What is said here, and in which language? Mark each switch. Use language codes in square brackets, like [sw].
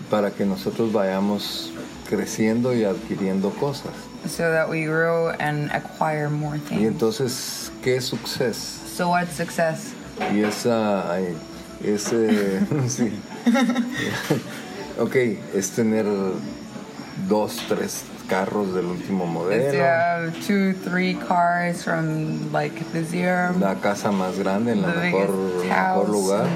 [es] Para que nosotros vayamos creciendo y adquiriendo cosas. [en] So that we grow and acquire more things. [es] Y entonces, ¿qué es success? [en] So what's success? [es] Y esa... ese... sí. Ok, es tener dos, tres carros del último modelo. [en] It's, two, three cars from, like, this year. [es] La casa más grande en la mejor, mejor lugar.